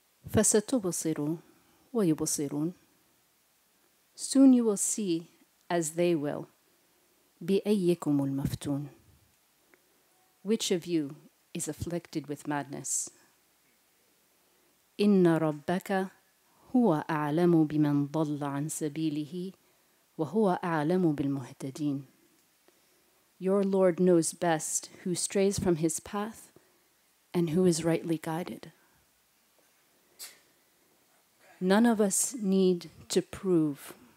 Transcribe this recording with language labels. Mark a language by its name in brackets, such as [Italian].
[Arabic] فستبصر ويبصرون. [English] Soon you will see, as they will, [Arabic] بأيكم المفتون. [English] Which of you is afflicted with madness? [Arabic] إن ربك هو أعلم بمن ضل عن سبيله وهو أعلم بالمهتدين. [English] Your Lord knows best who strays from his path and who is rightly guided. None of us need to prove.